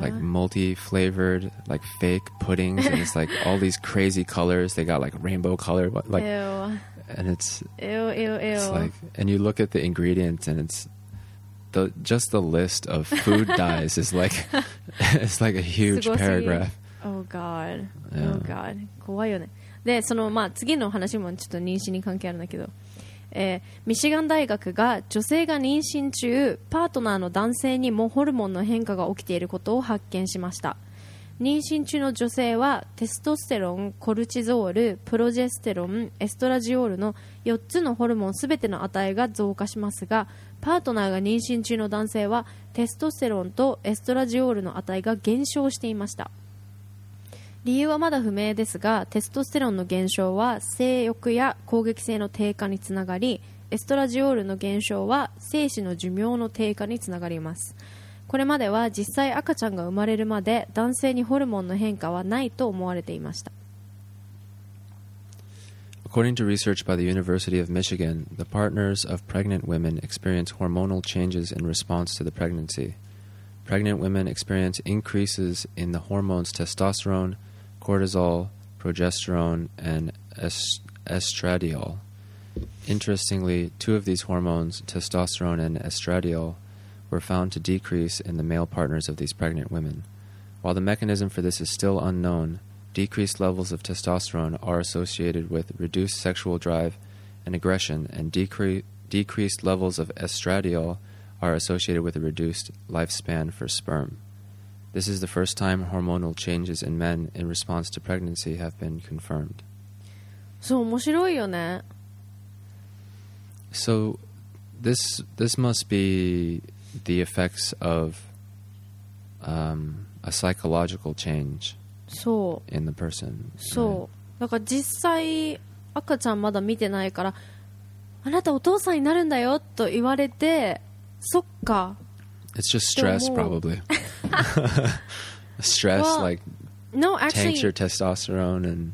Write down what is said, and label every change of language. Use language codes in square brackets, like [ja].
[en] Like multi-flavored, like fake puddings, and it's like all these crazy colors. They got like rainbow color, like, ew. And it's ew, ew, ew. It's like, and you look at the ingredients, and it's. Just the list of food dyes is like it's like a huge paragraph. Oh god. Yeah. Oh god. [ja] 怖いよね。で、そのまあ次の話もちょっと妊娠に関係あるんだけど、ミシガン大学が女性が妊娠中パートナーの男性にもホルモンの変化が起きていることを発見しました。妊娠中の女性はテストステロン、コルチゾール、プロジェステロン、エストラジオールの4つのホルモン全ての値が増加しますが、パートナーが妊娠中の男性はテストステロンとエストラジオールの値が減少していました。理由はまだ不明ですが、テストステロンの減少は性欲や攻撃性の低下につながり、エストラジオールの減少は精子の寿命の低下につながります。これまでは実際赤ちゃんが生まれるまで男性にホルモンの変化はないと思われていました。 [en] According to research by the University of Michigan, the partners of pregnant women experience hormonal changes in response to the pregnancy. Pregnant women experience increases in the hormones testosterone, cortisol, progesterone, and estradiol. Interestingly, two of these hormones, testosterone and estradiol, were found to decrease in the male partners of these pregnant women. While the mechanism for this is still unknown,Decreased levels of testosterone are associated with reduced sexual drive and aggression, and decreased levels of estradiol are associated with a reduced lifespan for sperm. This is the first time hormonal changes in men in response to pregnancy have been confirmed. [ja] そう、面白いよね。 [en] So, this must be the effects of, a psychological change. [ja] そう。 [en] In the person. [ja] そう。だから実際赤ちゃんまだ見てないから、あなたお父さんになるんだよと言われて、そっか。 [en] It's just stress probably. stress well, like no, actually, tanks your testosterone and